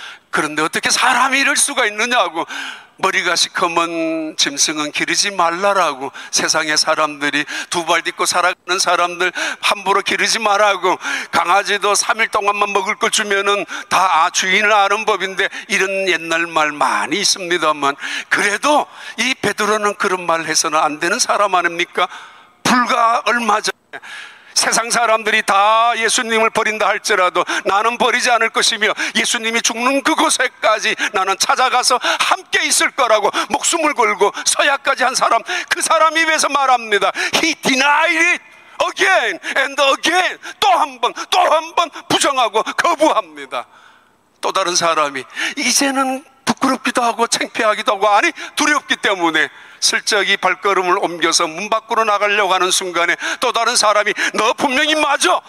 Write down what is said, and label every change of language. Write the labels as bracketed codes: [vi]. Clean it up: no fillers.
[ko] 그런데 어떻게 사람이 이럴 수가 있느냐고, 머리가 시커먼 짐승은 기르지 말라라고, 세상의 사람들이 두 발 딛고 살아가는 사람들 함부로 기르지 말라고, 강아지도 3일 동안만 먹을 걸 주면은 다 주인을 아는 법인데, 이런 옛날 말 많이 있습니다만 그래도 이 베드로는 그런 말 해서는 안 되는 사람 아닙니까? 불과 얼마 전에 세상 사람들이 다 예수님을 버린다 할지라도 나는 버리지 않을 것이며 예수님이 죽는 그곳에까지 나는 찾아가서 함께 있을 거라고 목숨을 걸고 서약까지 한 사람, 그 사람 입에서 말합니다. [en] He denied it again and again. [ko] 또 한 번, 또 한 번 부정하고 거부합니다. 또 다른 사람이 이제는 부끄럽기도 하고 창피하기도 하고, 아니 두렵기 때문에 슬쩍이 발걸음을 옮겨서 문 밖으로 나가려고 하는 순간에 또 다른 사람이 너 분명히 맞아!